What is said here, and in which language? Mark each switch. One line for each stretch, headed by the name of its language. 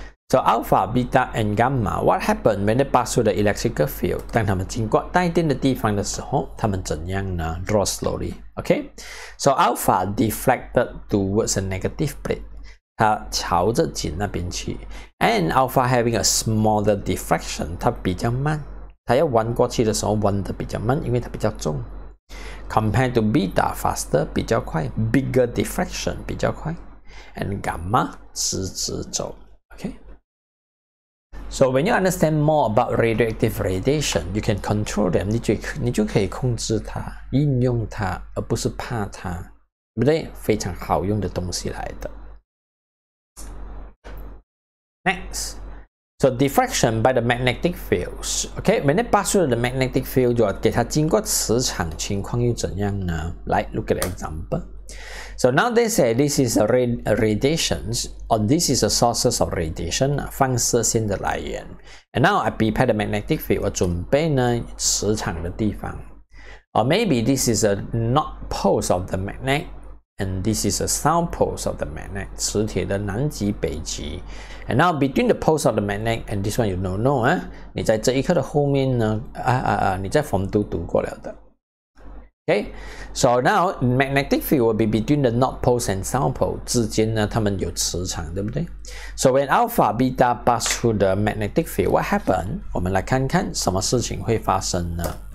English: So alpha, beta, and gamma, what happened when they pass through the electrical field?
Chinese: 当他们经过带电的地方的时候，他们怎样呢？
English: Draw slowly. Okay, so alpha deflected towards a negative plate.
Chinese: 它朝着紧那边去。
English: And alpha having a smaller diffraction,
Chinese: 它比较慢。它要弯过去的时候弯得比较慢，因为它比较重。
English: Compared to beta, faster,
Chinese: 比较快。
English: Bigger diffraction, 比较快。And gamma,
Chinese: 直直走。
English: Okay? So when you understand more about radioactive radiation, you can control them.
Chinese: 你就可以控制它，应用它，而不是怕它，对不对？非常好用的东西来的。
English: Next, so diffraction by the magnetic fields. Okay, when it passes through the magnetic field,
Chinese: 就给它经过磁场，情况又怎样呢？
English: 来 ，look at the example. So now they say this is radiation, or this is a source of radiation,
Chinese: 放射线的来源。
English: And now I prepare the magnetic field,
Chinese: 我准备呢磁场的地方。
English: Or maybe this is a north pole of the magnet, and this is a south pole of the magnet,
Chinese: 磁铁的南极、北极。
English: And now between the poles of the magnet, and this one you don't know,
Chinese: 你在这一课的后面呢，你在逢都读过了的。
English: Okay, so now magnetic field will be between the north pole and south pole
Chinese: 之间呢，它们有磁场，对不对？
English: So when alpha beta pass through the magnetic field, what happened?
Chinese: 我们来看看什么事情会发生呢？